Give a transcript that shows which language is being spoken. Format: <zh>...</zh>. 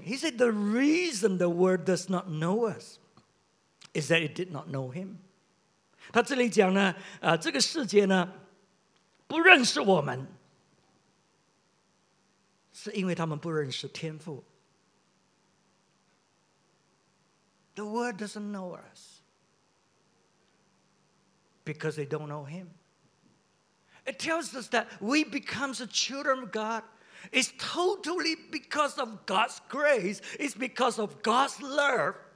<en>He said the reason the world does not know us is that it did not know him.</en> <zh>他这里讲呢, 这个世界呢, 不认识我们, 是因为他们不认识天父。</zh> <en>The world doesn't know us because they don't know him. It tells us that we become the children of God. It's totally because of God's grace. It's because of God's love.</en>